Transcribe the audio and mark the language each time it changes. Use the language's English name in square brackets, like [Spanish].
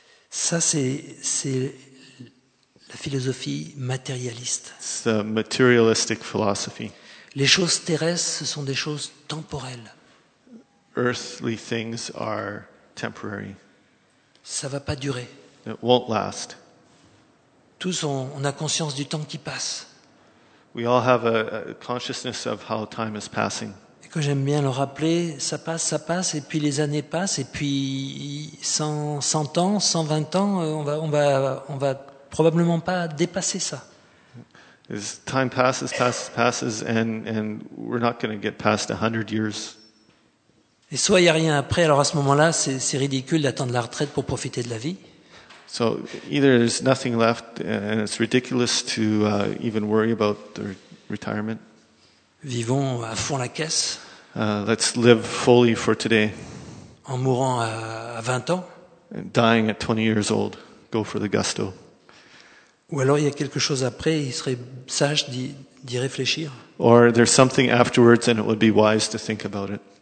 [French] Ça, c'est la philosophie matérialiste. [English] It's the materialistic philosophy. [French] Les choses terrestres, ce sont des choses temporelles. [English] Earthly things are temporary. [French] Ça va pas durer. [English] It won't last. [French] Tous on a conscience du temps qui passe. [English] We all have a consciousness of how time is passing. [French] Et que j'aime bien le rappeler, ça passe, et puis les années passent, et puis 100 ans, 120 ans, on va probablement pas dépasser ça. [English] As time passes, and we're not going to get past 100 years. [French] Et soit il n'y a rien après, alors à ce moment-là, c'est ridicule d'attendre la retraite pour profiter de la vie. [English] So either there's nothing left and it's ridiculous to even worry about the retirement. [French] Vivons à fond la caisse. [English] Let's live fully for today. [French] En mourant à 20 ans. [English] And dying at 20 years old. Go for the gusto. [French] Ou alors il y a quelque chose après, il serait sage d'y réfléchir. [English] Or there's something afterwards and it would be wise to think about it.